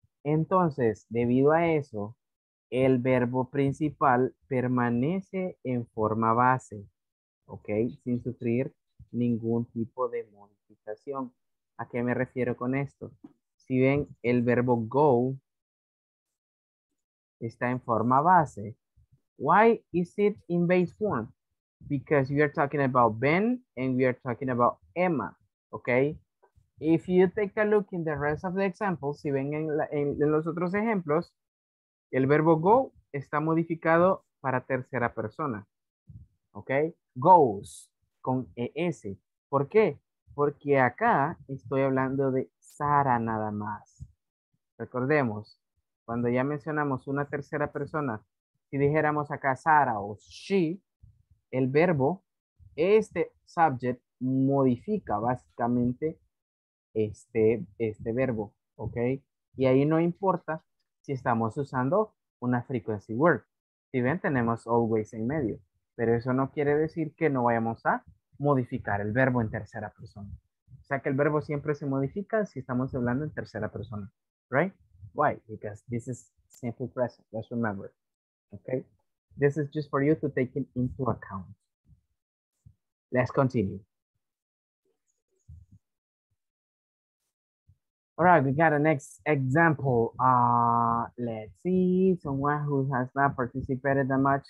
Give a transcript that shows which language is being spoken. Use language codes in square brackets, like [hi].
[es] Entonces, debido a eso, el verbo principal permanece en forma base, okay? Sin sufrir ningún tipo de modificación. ¿A qué me refiero con esto? Si ven, el verbo go está en forma base. [en] Why is it in base form? Because we are talking about Ben and we are talking about Emma, okay? If you take a look in the rest of the examples, [es] si ven en los otros ejemplos, el verbo go está modificado para tercera persona, okay? Goes, con ES. ¿Por qué? Porque acá estoy hablando de Sara nada más. Recordemos, cuando ya mencionamos una tercera persona, si dijéramos acá Sara o she, el verbo, este subject modifica básicamente este verbo, ¿ok? Y ahí no importa si estamos usando una frequency word. Si ven, tenemos always en medio. Pero eso no quiere decir que no vayamos a modificar el verbo en tercera persona. O sea que el verbo siempre se modifica si estamos hablando en tercera persona, ¿right? [en] Why? Because this is simple present, let's remember, ¿ok? This is just for you to take it into account. Let's continue. All right, we got the next example. Let's see, someone who has not participated that much.